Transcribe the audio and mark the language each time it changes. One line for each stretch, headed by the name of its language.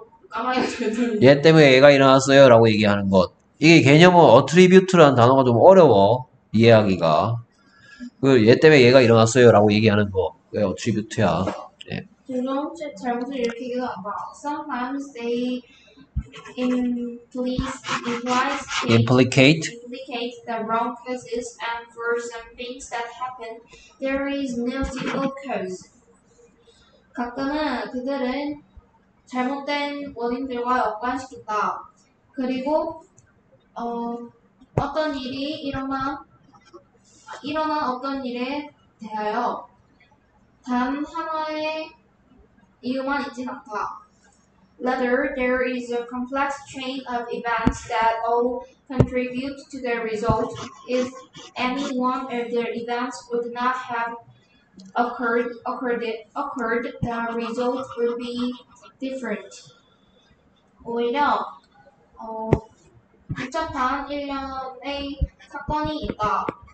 Korean: 까마귀 들었는데 얘 때문에 얘가 일어났어요 라고 얘기하는 것. 이게 개념은 attribute라는 단어가 좀 어려워 이해하기가. 그 얘 때문에 얘가 일어났어요 라고 얘기하는 거 왜 attribute야. 종종 잘못을 일으키기도 한다.
English: Sometimes they implicate the wrong causes and for some things that happen there is no single cause.
Korean: 가끔은 그들은 잘못된 원인들과 연관시킨다. 그리고 어떤 일이 일어난 어떤 일에 대하여 단 하나의 이유만 있지 않다.
English: Rather, there is a complex chain of events that all contribute to the result. If any one of the events would not have occurred, the result would be different.
Korean: 오히려 복잡한 일련의 사건이 있다.